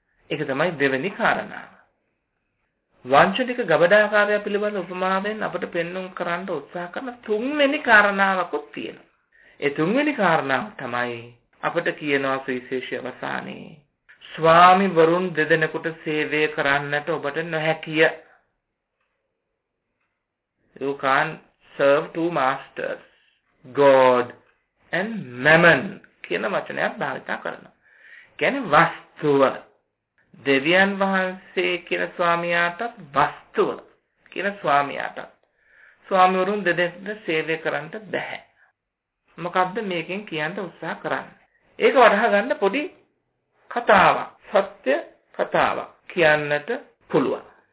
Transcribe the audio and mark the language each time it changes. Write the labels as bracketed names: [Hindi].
[Sinhala] ඒක තමයි දෙවෙනි කාරණාව. වංචනික ගබඩාකාරය පිළිබඳ උපමාවෙන් අපට පෙන්වන්න කරන්න උත්සාහ කරන තුන්වෙනි කාරණාවකුත් තියෙනවා. ඒ තුන්වෙනි කාරණාව තමයි අපට කියනවා සුවිශේෂී අවසානයේ ස්වාමි වරුන් දෙදෙනෙකුට සේවය කරන්නට ඔබට නොහැකිය. [English] You can't serve two masters, God and Mammon [Sinhala] කියන වචනයක් භාවිත කරනවා. කියන්නේ වස්තුව. දෙවියන් වහන්සේ කියන ස්වාමියාටත් වස්තුව කියන ස්වාමියාටත් ස්වාමිවරුන් දෙදෙනෙකුට සේවය කරන්නට බැහැ. මොකද්ද මේකෙන් කියන්න උත්සාහ කරන්නේ? ඒක වටහා ගන්න පොඩි කතාවක්, සත්‍ය කතාවක් කියන්නට පුළුවන්.